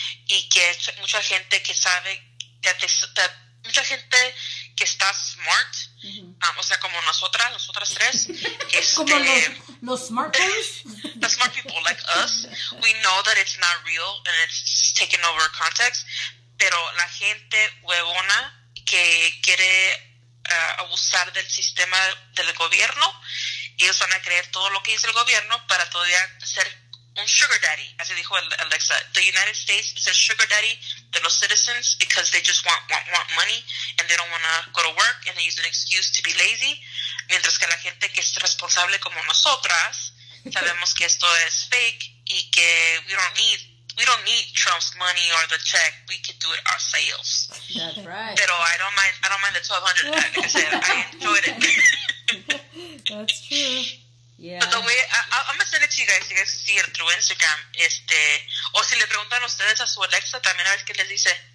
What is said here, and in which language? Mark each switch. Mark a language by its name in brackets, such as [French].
[Spanish] Y que mucha gente que sabe that mucha gente que está smart, mm-hmm. O sea, como nosotras tres, como los smart people, [English] the smart people like us, we know that it's not real and it's just taking over context. [Spanish] Pero la gente huevona que quiere abusar del sistema del gobierno, ellos van a creer todo lo que dice el gobierno para todavía ser un sugar daddy, así dijo Alexa. [English] The United States is a sugar daddy to los citizens because they just want money and they don't want to go to work and they use an excuse to be lazy. [Spanish] Mientras que la gente que es responsable como nosotras sabemos que esto es fake y que [English] we don't need Trump's money or the check. We could do it ourselves. That's right. [Spanish] Pero [English] I don't mind the $1,200. Like I said, I enjoyed it. That's true. Yeah. But the way, I'm going to send it to you guys to see it through Instagram. [Spanish] O si le preguntan ustedes a su Alexa, también a ver qué les dice.